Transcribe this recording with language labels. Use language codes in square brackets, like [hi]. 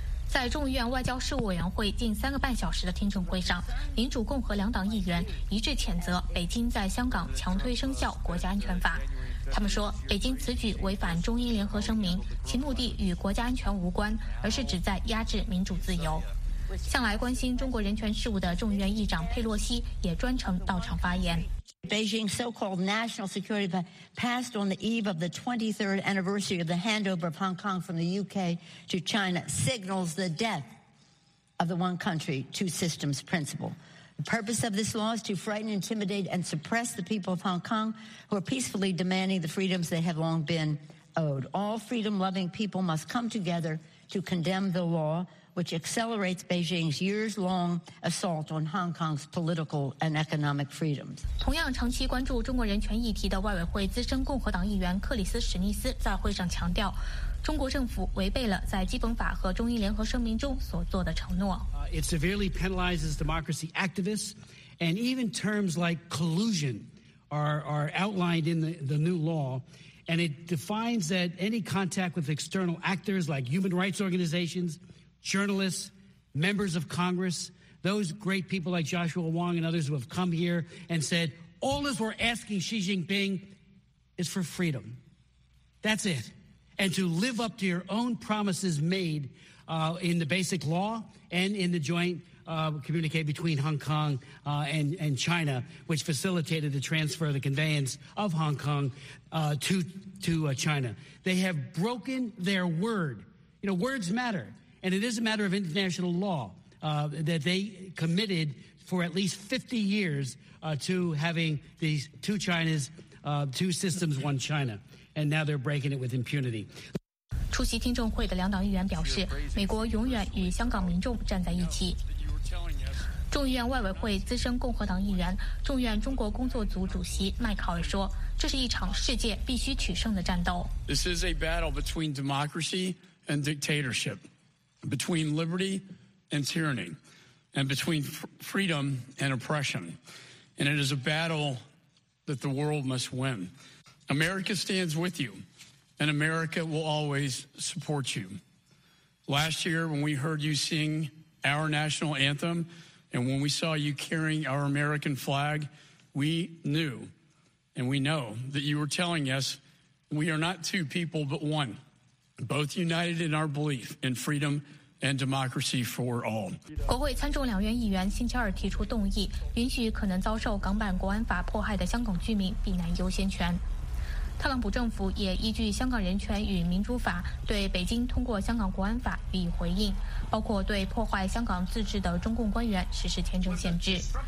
[zh] 在众议院外交事务委员会近三个半小时的听证会上，民主共和两党议员一致谴责北京在香港强推生效国家安全法。他们说，北京此举违反中英联合声明，其目的与国家安全无关，而是旨在压制民主自由。向来关心中国人权事务的众议院议长佩洛西也专程到场发言。 [en] Beijing's so-called national security plan passed on the eve of the 23rd anniversary of the handover of Hong Kong from the UK to China signals the death of the one country, two systems principle. The purpose of this law is to frighten, intimidate, and suppress the people of Hong Kong who are peacefully demanding the freedoms they have long been owed. All freedom-loving people must come together to condemn the law, which accelerates Beijing's years-long assault on Hong Kong's political and economic freedoms. 同样长期关注中国人权议题的外委会资深共和党议员克里斯·史密斯在会上强调，中国政府违背了在基本法和中英联合声明中所做的承诺。 It severely penalizes democracy activists, and even terms like collusion are outlined in the new law, and it defines that any contact with external actors like human rights organizations, journalists, members of Congress, those great people like Joshua Wong and others who have come here and said, all this we're asking Xi Jinping is for freedom. That's it. And to live up to your own promises made in the basic law and in the joint communique between Hong Kong and China, which facilitated the transfer of the conveyance of Hong Kong to China. They have broken their word. You know, words matter. And it is a matter of international law that they committed for at least 50 years to having these two Chinas, two systems, one China. And now they're breaking it with impunity. [zh] 出席听证会的两党议员表示，美国永远与香港民众站在一起。众议院外委会资深共和党议员、众议院中国工作组主席麦考尔说，这是一场世界必须取胜的战斗。 [en] This is a battle between democracy and dictatorship, between liberty and tyranny, and between freedom and oppression. And it is a battle that the world must win. America stands with you, and America will always support you. Last year, when we heard you sing our national anthem, and when we saw you carrying our American flag, we knew, and we know, that you were telling us we are not two people, but one, both united in our belief in freedom. And democracy for all. [zh] 国会参众两院议员星期二提出动议，允许可能遭受港版国安法迫害的香港居民避难优先权。特朗普政府也依据《香港人权与民主法》对北京通过《香港国安法》予以回应，包括对破坏香港自治的中共官员实施签证限制。